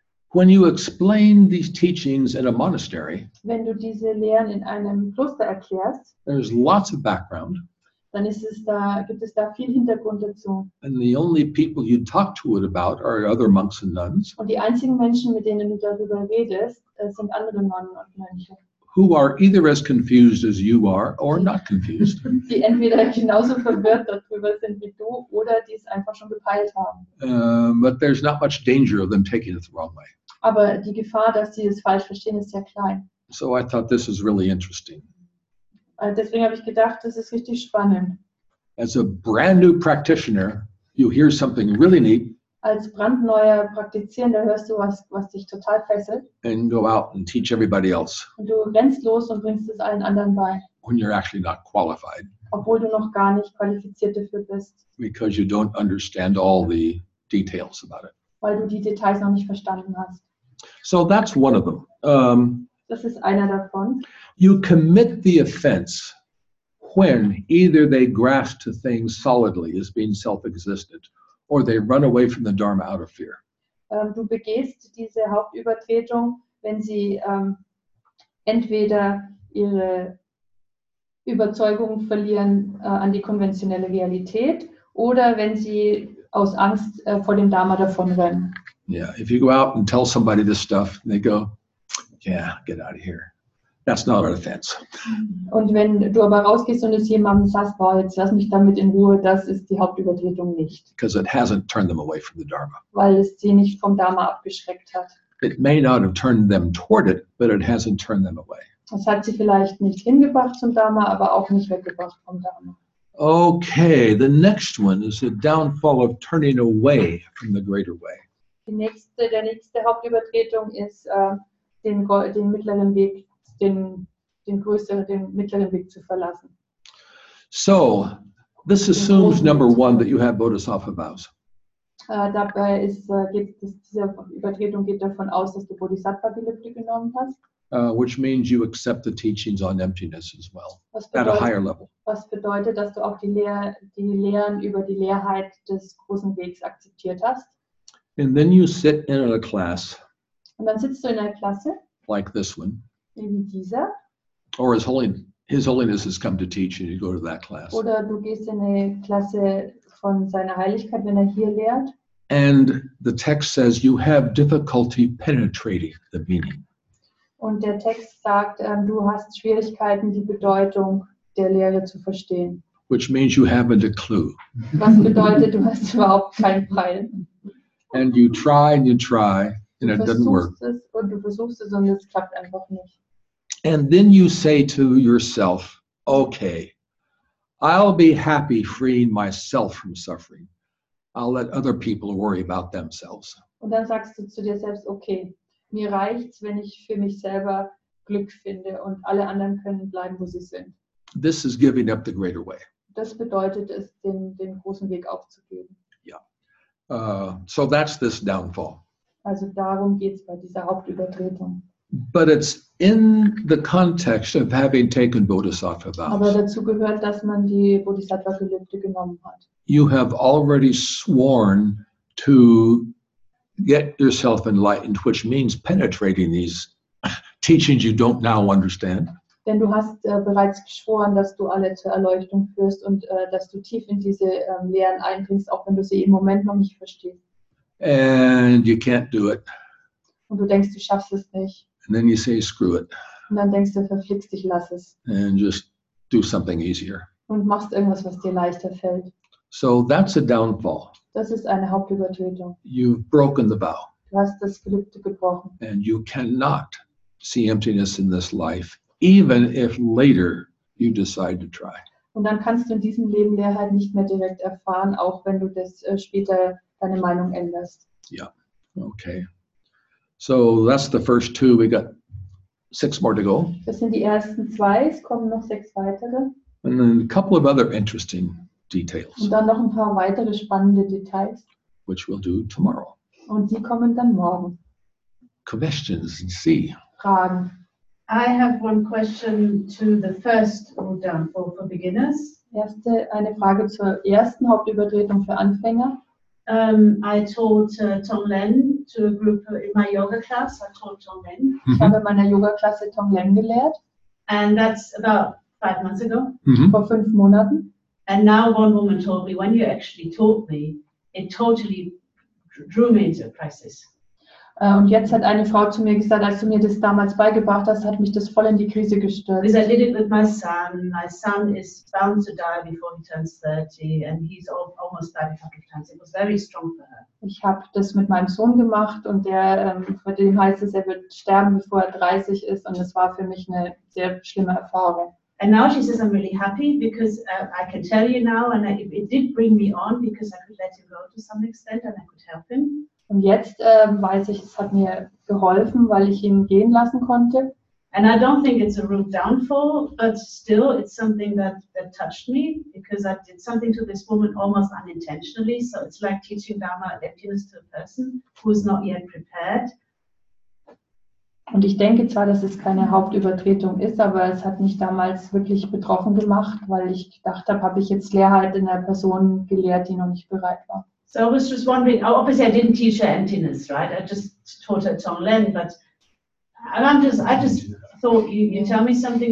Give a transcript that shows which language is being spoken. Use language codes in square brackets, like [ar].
[en] When you explain these teachings in a monastery, [de] wenn du diese Lehren in einem Kloster erklärst, [en] there's lots of background. [de] Dann ist es da, gibt es da viel Hintergrund dazu. [en] And the only people you talk to it about are other monks and nuns. [de] Und die einzigen Menschen, mit denen du darüber redest, sind andere Nonnen und Mönche. [en] Who are either as confused as you are or not confused. [de] Die entweder genauso verwirrt darüber sind wie du oder die es einfach schon gepeilt haben. [en] But there's not much danger of them taking it the wrong way. [de] Aber die Gefahr, dass sie es falsch verstehen, ist sehr klein. [en] So I thought this is really interesting. [de] Deswegen habe ich gedacht, das ist richtig spannend. [en] As a brand new practitioner, you hear something really neat. [de] Als brandneuer Praktizierender hörst du was, was dich total fesselt. [en] And go out and teach everybody else. [de] Und du rennst los und bringst es allen anderen bei. [en] When you're actually not qualified. [de] Obwohl du noch gar nicht qualifiziert dafür bist. [en] Because you don't understand all the details about it. [de] Weil du die Details noch nicht verstanden hast. [en] So that's one of them. [de] Das ist einer davon. [en] You commit the offense when either they grasp to things solidly as being self-existent or they run away from the Dharma out of fear. [de] Du begehst diese Hauptübertretung, wenn sie entweder ihre Überzeugung verlieren an die konventionelle Realität oder wenn sie aus Angst vor dem Dharma davonrennen. [en] Yeah, if you go out and tell somebody this stuff, they go, yeah, get out of here. That's not an offense. [de] Und wenn du aber rausgehst und es jemandem sagst, boah, jetzt lass mich damit in Ruhe, das ist die Hauptübertretung nicht. [en] Because it hasn't turned them away from the Dharma. [de] Weil es sie nicht vom Dharma abgeschreckt hat. [en] It may not have turned them toward it, but it hasn't turned them away. [de] Das hat sie vielleicht nicht hingebracht zum Dharma, aber auch nicht weggebracht vom Dharma. [en] Okay, the next one is the downfall of turning away from the greater way. [de] Der nächste Hauptübertretung ist den mittleren Weg zu verlassen. [en] So, this assumes number one that you have Bodhisattva vows. [de] Dabei ist geht diese Übertretung geht davon aus, dass du Bodhisattva Gelübde genommen hast. [en] Which means you accept the teachings on emptiness as well, at a higher level. [de] Was bedeutet, dass du auch die Lehren über die Leerheit des großen Wegs akzeptiert hast? [en] And then you sit in a class. [de] Und dann sitzt du in einer Klasse. [en] Like this one. [de] Wie dieser. [en] Or His Holiness has come to teach, and you go to that class. [de] Oder du gehst in eine Klasse von seiner Heiligkeit, wenn hier lehrt. [en] And the text says you have difficulty penetrating the meaning. [de] Und der Text sagt, du hast Schwierigkeiten, die Bedeutung der Lehre zu verstehen. [en] Which means you haven't a clue. [de] Was bedeutet, du hast überhaupt keinen Peil. [en] And you try and you try, and it doesn't work. [de] Und du versuchst es und es klappt einfach nicht. [en] And then you say to yourself, okay, I'll be happy freeing myself from suffering. I'll let other people worry about themselves. [de] Und dann sagst du zu dir selbst, okay, mir reicht's, wenn ich für mich selber Glück finde und alle anderen können bleiben, wo sie sind. [en] This is giving up the greater way. [de] Das bedeutet es, den großen Weg aufzugeben. [en] Yeah. So that's this downfall. [de] Also darum geht's bei dieser Hauptübertretung. [en] But it's in the context of having taken Bodhisattva vows. [de] Aber dazu gehört, dass man die Bodhisattva-Gelübde genommen hat. [en] You have already sworn to get yourself enlightened, which means penetrating these teachings you don't now understand. [de] Denn du hast bereits geschworen, dass du alle zur Erleuchtung führst und dass du tief in diese Lehren eindringst, auch wenn du sie im Moment noch nicht verstehst. [en] And you can't do it. [de] Und du denkst, du schaffst es nicht. [en] And then you say, screw it. [de] Und dann denkst du, verflixt dich, lass es. [en] And just do something easier. [de] Und machst irgendwas, was dir leichter fällt. [en] So that's a downfall. [de] Das ist eine Hauptübertretung. [en] You've broken the vow. [de] Du hast das Gelübde gebrochen. [en] And you cannot see emptiness in this life, even if later you decide to try. [de] Und dann kannst du in diesem Leben Leerheit nicht mehr direkt erfahren, auch wenn du das später deine Meinung änderst. [en] Ja, okay. So that's the first two. We got six more to go. [de] Das sind die ersten zwei. Es kommen noch sechs weitere. [en] And then a couple of other interesting details. [de] Und dann noch ein paar weitere spannende Details. [en] Which we'll do tomorrow. [de] Und die kommen dann morgen. [en] Questions, see. [de] Fragen. [en] I have one question to the first downfall for beginners. [de] Erste eine Frage zur ersten Hauptübertretung für Anfänger. [en] I taught Tonglen to a group in my yoga class. I taught Tonglen. [de] Ich habe in meiner Yoga-Klasse Tonglen gelehrt. [en] And that's about 5 months ago. [de] Mm-hmm. Vor 5 Monaten. [en] And now one woman told me, when you actually taught me, it totally drew me into a crisis. [de] Und jetzt hat eine Frau zu mir gesagt, als du mir das damals beigebracht hast, hat mich das voll in die Krise gestürzt. [en] Because I did it with my son. My son is bound to die before he turns 30 and he's almost died a couple of times. It was very strong for her. [de] Ich habe das mit meinem Sohn gemacht und der, für den heißt es, er wird sterben, bevor er 30 ist und es war für mich eine sehr schlimme Erfahrung. [en] And now she says, I'm really happy because I can tell you now and it did bring me on because I could let him go to some extent and I could help him. [de] Und jetzt weiß ich, es hat mir geholfen, weil ich ihn gehen lassen konnte. [en] And I don't think it's a real downfall, but still it's something that touched me because I did something to this woman almost unintentionally. So it's like teaching Dharma emptiness to a person who is not yet prepared. [de] Und ich denke zwar, dass es keine Hauptübertretung ist, aber es hat mich damals wirklich betroffen gemacht, weil ich gedacht habe ich jetzt Leerheit in einer Person gelehrt, die noch nicht bereit war. [en] So I was just wondering, obviously I didn't teach her emptiness, right? I just taught her Tonglen, but I just thought, you tell me something